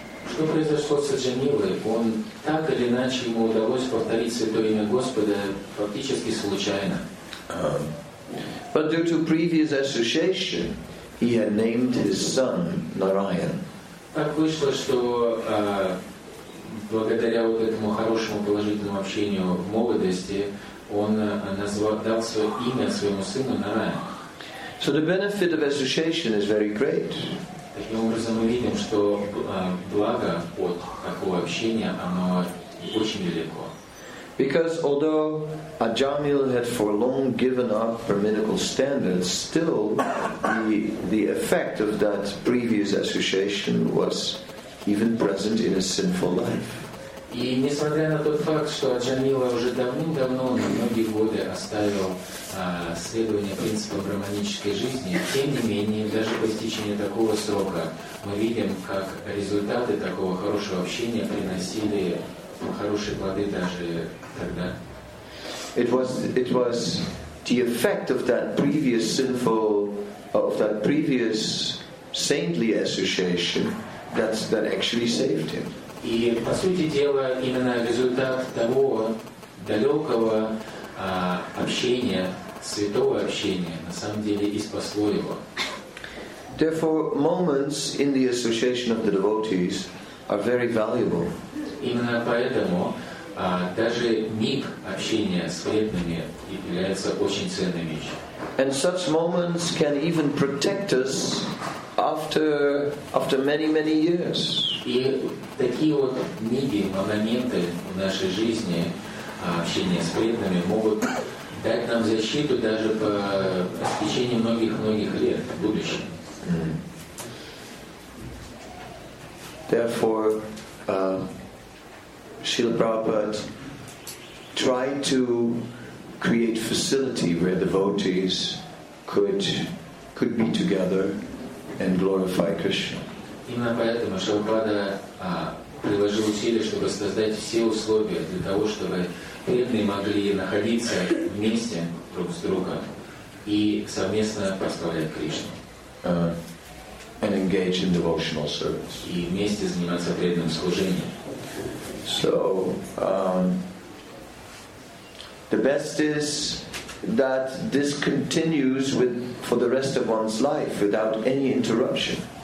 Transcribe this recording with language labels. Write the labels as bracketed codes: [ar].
[ru] Что произошло с Аджамилой? Он так или иначе ему удалось повторить святое имя Господа фактически случайно. [en] But due to previous association, he had named his son Narayan. [ru] Так вышло, что благодаря вот этому хорошему положительному общению в молодости он дал свое имя своему сыну Нараян. [en] So the benefit of association is very great. [ru] Таким образом, мы видим, что благо от такого общения, оно очень велико. [en] Because although Ajamil had for long given up brahminical standards, still the effect of that previous association was even present in his sinful life. [ru] И несмотря на тот факт, что Аджамила уже давным-давно, на многие годы оставил следование принципам брахманической жизни, тем не менее, даже по истечении такого срока, мы видим, как результаты такого хорошего общения приносили хорошие плоды даже тогда. [en] It was the effect of that previous sinful, of that previous saintly association that actually saved him. [ru] И, по сути дела, именно результат того далекого общения, святого общения, на самом деле и спасло его. [en] Therefore, moments in the association of the devotees are very valuable. [ru] Именно поэтому даже миг общения с преданными является очень ценной вещью. [en] And such moments can even protect us after many, many years. [ru] И такие вот миги, моменты в нашей жизни, общения с преданными, могут дать нам защиту даже по истечении многих-многих лет в будущем. Mm-hmm. [en] Therefore, Srila Prabhupada tried to create facility where devotees could be together and glorify Krishna. [ru] Именно поэтому Шилпада приложил усилия, чтобы создать все условия для того, чтобы преданные могли находиться вместе друг с другом и совместно прославлять Кришну. [en] And engage in devotional service. [ru] И вместе заниматься преданным служением. [en] So, the best is that this continues with for the rest of one's life without any interruption.